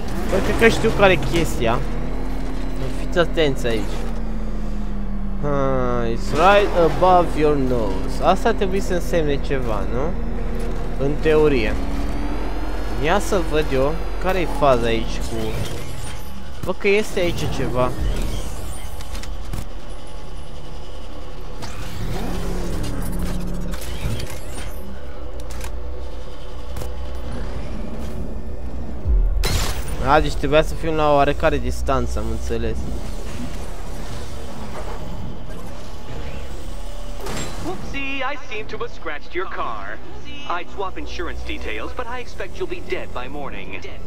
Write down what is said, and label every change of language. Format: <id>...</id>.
<ro>Bă, cred că știu care e chestia. Fiți atenți aici.</ro> <en>It's right above your nose.</en> <ro>Asta trebuie să însemne ceva, nu? În teorie. Ia să văd eu care-i faza aici cu... Bă, că este aici ceva. A, deci trebuia să fim la oarecare distanță, am înțeles.</ro> <en>I seem to have scratched your car. I'd swap insurance details, but I expect you'll be dead by morning.</en>